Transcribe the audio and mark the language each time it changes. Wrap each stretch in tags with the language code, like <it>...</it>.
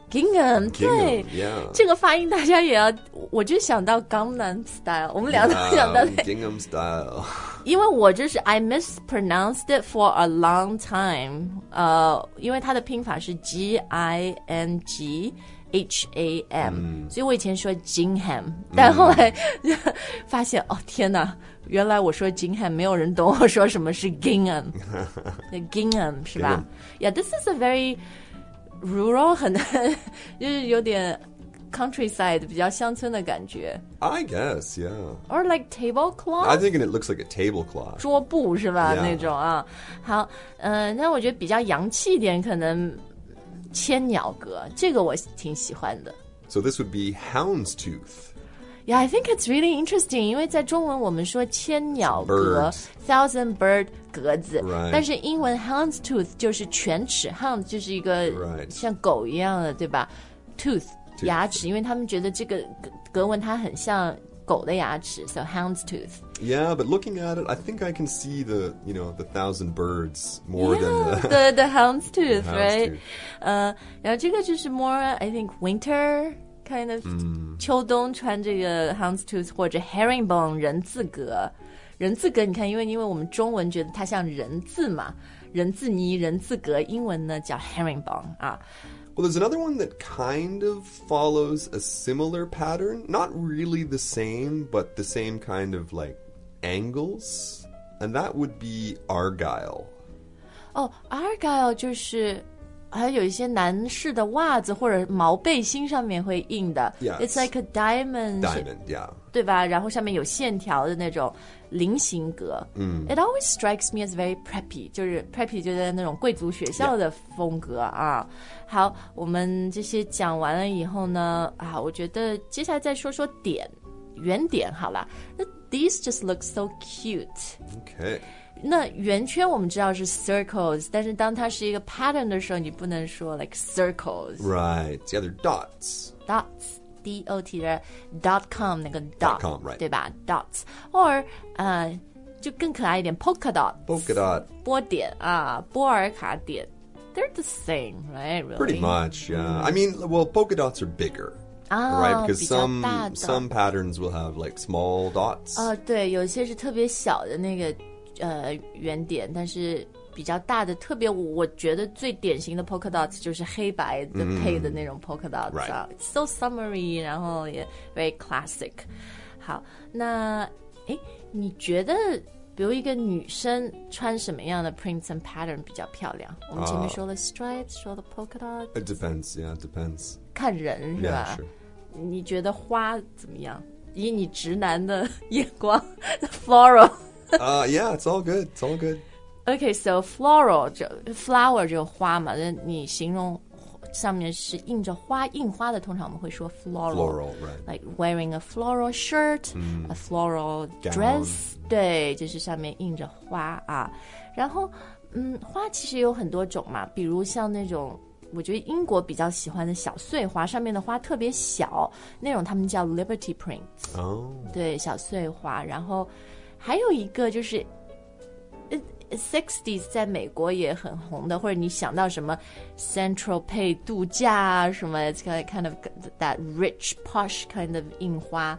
<en>Gingham, 对 Gingham,、yeah.</en> <zh>这个发音大家也要我就想到 Gangnam Style 我们俩都想到</zh> <en>yeah, Gingham Style</en> <zh>因为我就是</zh> <en>I mispronounced it for a long time、</en> <zh>因为它的拼法是 G-I-N-G-H-A-M、 mm. 所以我以前说 Gingham 但后来、mm. 发现哦天哪原来我说 Gingham 没有人懂我说什么是 Gingham Gingham 是吧</zh> <en>Gingham. Yeah, this is a veryRural</en> <zh>很就是有点 countryside 比较乡村的感觉</zh> <en>I guess, yeah Or like tablecloth I think it looks like a tablecloth</en> <zh>桌布是吧、</zh> <en>yeah.</en> <zh>那种啊好那我觉得比较洋气一点可能千鸟格这个我挺喜欢的</zh> <en>So this would be houndstooth Yeah, I think it's really interesting</en> <zh>因为在中文我们说千鸟格</zh> <en>bird. Thousand bird格子、 right.</en> <zh>但是英文 hound's tooth 就是犬齿 hound 就是一个像狗一样的对吧 tooth,</zh> <en>tooth</en> <zh>牙齿因为他们觉得这个格纹它很像狗的牙齿 so hound's tooth</zh> <en>yeah but looking at it I think I can see the you know the thousand birds more yeah, than the hound's tooth the hound's right tooth.</en> <zh>然后这个就是</zh> <en>more I think winter kind of、 mm.</en> <zh>秋冬穿这个 hound's tooth 或者 herringbone 人字格人字格你看因为我们中文觉得它像人字嘛人字泥人字格英文呢叫 herringbone、啊、</zh> <en>Well there's another one that kind of follows a similar pattern not really the same but the same kind of like angles and that would be argyle</en> <zh>Oh argyle 就是还有一些男士的袜子或者毛背心上面会印的、</zh> <en>yes. It's like a diamond Diamond, yeah</en> <zh>对吧然后上面有线条的那种菱形格、 mm.</zh> <en>It always strikes me as very preppy</en> <zh>就是 preppy 就在那种贵族学校的风格啊、</zh> <en>yeah.</en> <zh>好我们这些讲完了以后呢啊，我觉得接下来再说说点圆点好了</zh> <en>These just look so cute Okay</en> <zh>那圆圈我们知道是 circles, 但是当它是一个 pattern 的时候你不能说 like circles.</zh> <en>Right, yeah, they're dots. Dots, D-O-T, dot com, 那个 dot. Dot com, right.</en> <zh>对吧 dots. Or, 就更可爱一点 polka dot.</zh> <en>Polka dot.</en> <zh>波点啊波尔卡点</zh> <en>They're the same, right?、Really? Pretty much, yeah.、Mm. I mean, well, polka dots are bigger. Oh, right, because some patterns will have like small dots.</en> <zh>对，有些是特别小的那个圆点，但是比较大的，特别我觉得最典型的 polka dots 就是黑白的配的那种 polka dots.</zh> <en>Right, so summery,</en> <zh>然后也</zh> <en>very classic.</en> <zh>好，那你觉得比如一个女生穿什么样的 prints and pattern 比较漂亮？我们前面说了 stripes, 说了 polka dots.</zh> <en>It depends. Yeah, it depends.</en> <zh>看人是吧</zh> <en>yeah,、sure.</en> <zh>你觉得花怎么样以你直男的眼光 floral</zh> <en>yeah it's all good it's all good</en> <zh>okay so floral 就 flower 就花嘛你形容上面是印着花印花的通常我们会说 floral</zh> <en>right like wearing a floral shirt、mm. a floral dress、 Gown.</en> <zh>对就是上面印着花啊然后花其实有很多种嘛比如像那种我觉得英国比较喜欢的小碎花上面的花特别小那种他们叫 Liberty Prints、</zh> <en>oh.</en> <zh>对小碎花然后还有一个就是 60s 在美国也很红的或者你想到什么 Central Pay 度假什么</zh> <en>It's kind of that rich posh kind of</en> <zh>印花</zh>